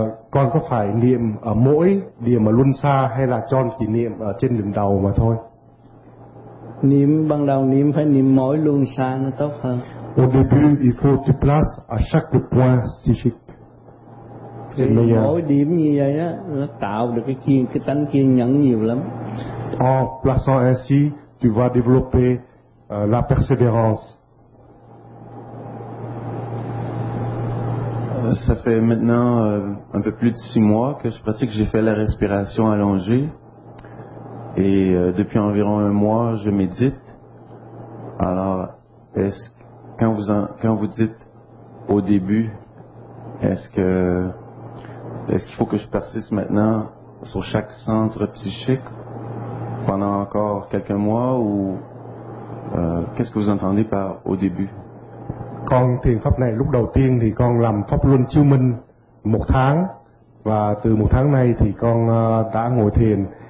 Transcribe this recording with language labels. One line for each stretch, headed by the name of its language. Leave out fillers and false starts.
Vietnamese: Con có phải niệm ở mỗi điểm ở luân xa hay là chọn chỉ niệm ở trên đỉnh đầu mà thôi? Niệm ban đầu niệm phải niệm mỗi luân xa nó tốt hơn.
French: Au début, il faut que tu places à chaque point psychique. C'est le meilleur.
Vietnamese: Mỗi điểm như vậy á, nó tạo được cái tánh kiên nhẫn nhiều lắm.
French: En plaçant ainsi, tu vas développer la persévérance. Ça fait maintenant un peu plus de 6 mois que je pratique, j'ai fait la respiration allongée. Et depuis environ un mois, je médite. Alors, quand vous dites au début, est-ce qu'il faut que je persiste maintenant sur chaque centre psychique pendant encore quelques mois ou qu'est-ce que vous entendez par au début?
Vietnamese: Con thiền pháp này lúc đầu tiên thì con làm pháp luân chiêu minh một tháng và từ một tháng nay thì con đã ngồi thiền.